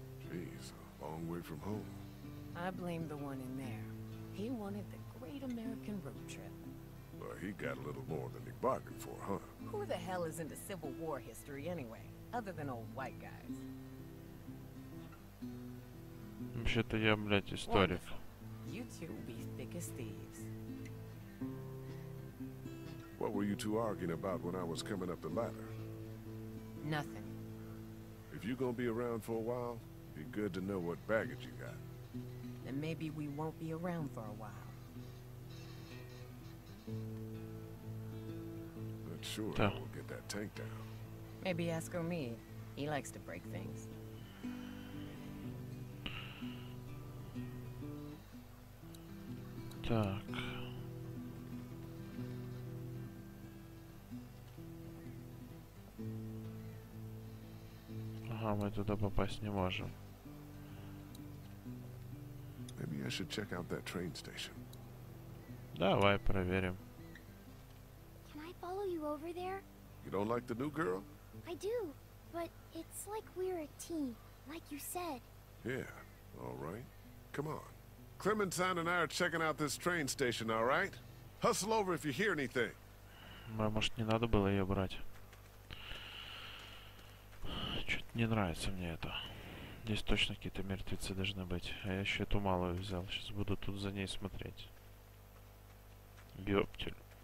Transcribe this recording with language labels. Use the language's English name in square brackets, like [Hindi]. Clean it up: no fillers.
[English] Geez, a long way from home. I blame the one in there. He wanted the great American road trip. Well, he got a little more than he bargained for, huh? Who the hell is into Civil War history anyway, other than old white guys? [Russian] Вообще-то я, блядь, историк. [English] You two will be thick as thieves. What were you two arguing about when I was coming up the ladder? Nothing. If you're gonna be around for a while, it'd be good to know what baggage you got. Then maybe we won't be around for a while. Not sure how we'll get that tank down. Maybe ask Omi. He likes to break things. [Russian] Так. Ага, мы туда попасть не можем. [English] Maybe I should check out that train station. [Russian] Давай проверим. [English] Follow you over there? You don't like the new girl? I do, but it's like we're a team, like you said. Yeah, all right. Come on. Clementine and I are checking out this train station, all right? Hustle over if you hear anything. [Russian] Может, не надо было ее брать? Чё-то не нравится мне это. Здесь точно какие-то мертвецы должны быть. А я еще эту малую взял. Сейчас буду тут за ней смотреть. Ёптель.